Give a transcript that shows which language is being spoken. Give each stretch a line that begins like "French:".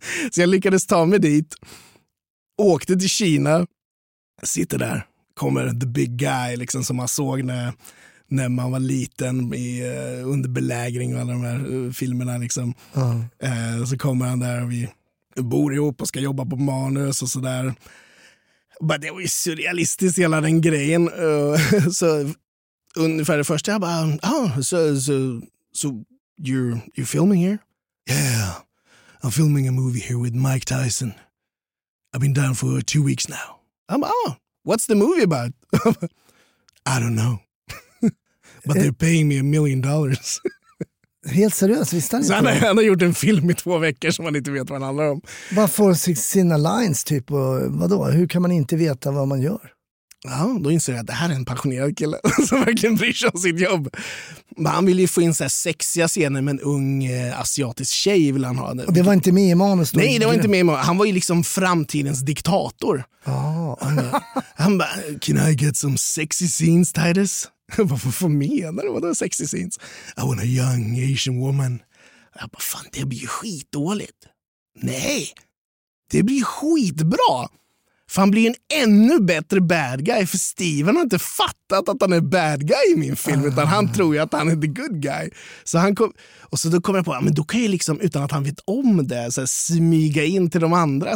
Swedish: så jag lyckades ta mig dit, åkte till Kina, sitter där, kommer
English: the big guy
Swedish: liksom, som man såg när man var liten under belägring och alla de här filmerna liksom. Så kommer han där och vi bor ihop och ska jobba på manus och sådär. Det var ju surrealistiskt, hela den grejen. Så ungefär det första jag bara,
English: so you're filming here? Yeah, I'm filming a movie here with Mike Tyson. I've been down for 2 weeks now. What's the movie about? I don't know. But they're paying me $1 million.
Swedish: Helt seriöst, visste han inte. Så han har gjort en film i 2 veckor som man inte vet vad han handlar om. Bara får sina lines typ, och vadå? Hur kan man inte veta vad man gör? Ja, då inser jag att det här är en passionerad kille som verkligen bryr sig om sitt jobb. Men han vill ju få in så här sexiga scener med en ung asiatisk tjej vill han ha. Och det var inte med i manus då? Nej, det var inte med i manus. Han var ju liksom framtidens diktator. Han bara,
English: can I get some sexy scenes, Titus?
Swedish: Vad menar du? Vad är
English: sexy scenes? I want a young Asian woman.
Swedish: Jag bara, fan, det blir ju skitdåligt. Nej, det blir skitbra. För han blir en ännu bättre
English: bad guy.
Swedish: För Steven har inte fattat att han är bad guy i min film. Utan han tror ju att han är
English: the good guy.
Swedish: Så han kom, och så då kommer jag på, men då kan jag liksom, utan att han vet om det, så här, smyga in till de andra.